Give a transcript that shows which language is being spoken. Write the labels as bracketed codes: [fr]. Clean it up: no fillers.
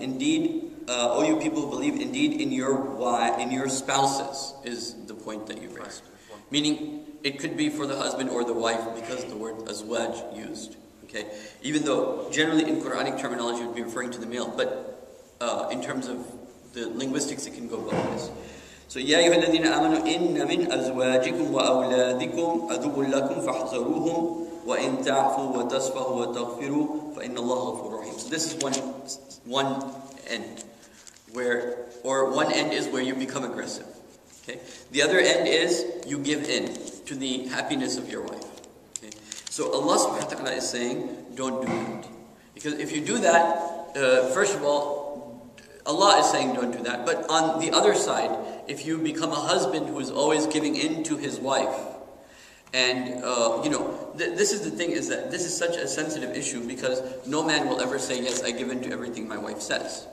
[en] Indeed, all you people believe, indeed in your spouses is the point that you raised. Right. Meaning, it could be for the husband or the wife because of the word azwaj used. Okay, even though generally in Quranic terminology would be referring to the male, but in terms of the linguistics, it can go both ways. [ar] So, يَا أَيُّهَا الَّذِينَ آمَنُوا إِنَّ مِنْ أَزْوَاجِكُمْ وَأَوْلَادِكُمْ عَدُوًّا لَكُمْ فَاحْذَرُوهُمْ وَإِنْ تَعْفُوا وَتَصْفَحُوا وَتَغْفِرُوا فَإِنَّ اللَّهَ غَفُورٌ رَحِيمٌ. [en] So this is one end, where you become aggressive. Okay, the other end is you give in to the happiness of your wife. Okay, so Allah subhanahu wa ta'ala is saying, don't do that. Because if you do that, first of all, Allah is saying don't do that. But on the other side, if you become a husband who is always giving in to his wife, and this is the thing, is that this is such a sensitive issue, because no man will ever say, yes, I give in to everything my wife says.